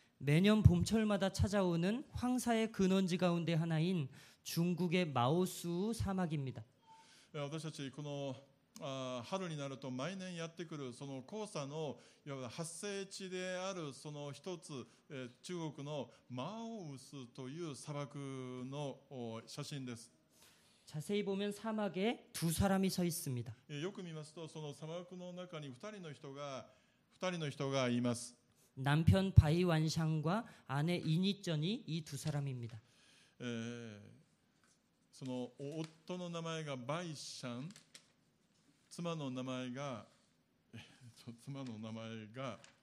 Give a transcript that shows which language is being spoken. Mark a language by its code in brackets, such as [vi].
[ko] 매년봄철마다찾아오는황사의근원지가운데하나인중국의마오수우사막입니다。 [ja] 私たちこの春になると毎年やってくるその黄砂のいわば発生地であるその一つ、中国のマオウスという砂漠の写真です。 [ko] 자세히보면사막에두사람이서있습니다 [ja] よく見ますとその砂漠の中に2人の人がいます。 [ko] 남편바이완샹과아내인이쩐이이두사람입니다 [ja] その夫の名前がバイシャン、妻の名前が妻の名前が